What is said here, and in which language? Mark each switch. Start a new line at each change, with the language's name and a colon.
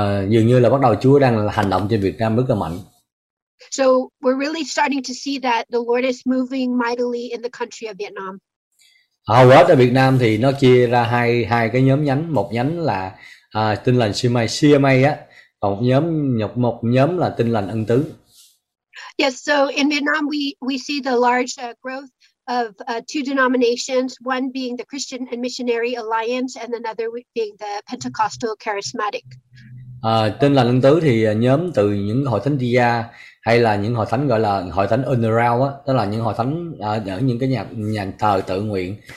Vietnamese: Dường như là bắt đầu Chúa đang hành động trên Việt Nam rất là mạnh.
English: So we're really starting to see that the Lord is moving mightily in the country of Vietnam.
Vietnamese: Hầu hết ở Việt Nam thì nó chia ra hai cái nhóm nhánh, một nhánh là tin lành CMA á, một nhóm là tin lành ân tứ.
English: Yes, so in Vietnam we see the large growth of two denominations, one being the Christian and Missionary Alliance and another being the Pentecostal Charismatic.
Vietnamese: Tin lành ân tứ thì nhóm từ những hội thánh Tia hay là những hội thánh gọi là hội thánh underground á, tức là những hội thánh ở những cái nhà thờ tự nguyện.